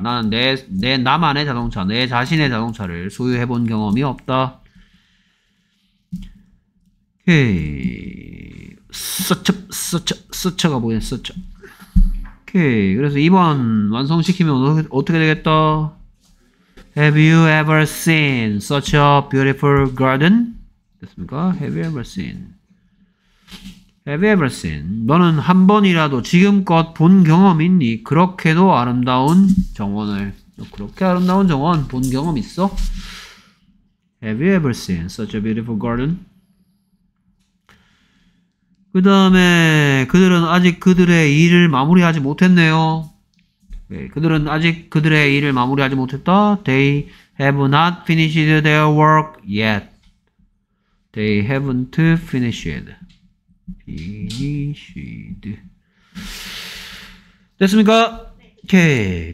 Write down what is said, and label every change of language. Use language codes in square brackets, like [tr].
[ko] 나는 나만의 자동차, 내 자신의 자동차를 소유해 본 경험이 없다. 오케이. 스쳐가 보이네, 스쳐. 오케이. 그래서 2번 완성시키면 어떻게 되겠다? [en] Have you ever seen such a beautiful garden? [ko] 됐습니까? [en] Have you ever seen? Have you ever seen? [ko] 너는 한 번이라도 지금껏 본 경험 있니? 그렇게도 아름다운 정원을. 너 그렇게 아름다운 정원 본 경험 있어? [en] Have you ever seen such a beautiful garden? [ko] 그 다음에 그들은 아직 그들의 일을 마무리하지 못했네요. 네, 그들은 아직 그들의 일을 마무리하지 못했다. [en] They have not finished their work yet. They haven't finished. Finished. [ko] 됐습니까? 오케이.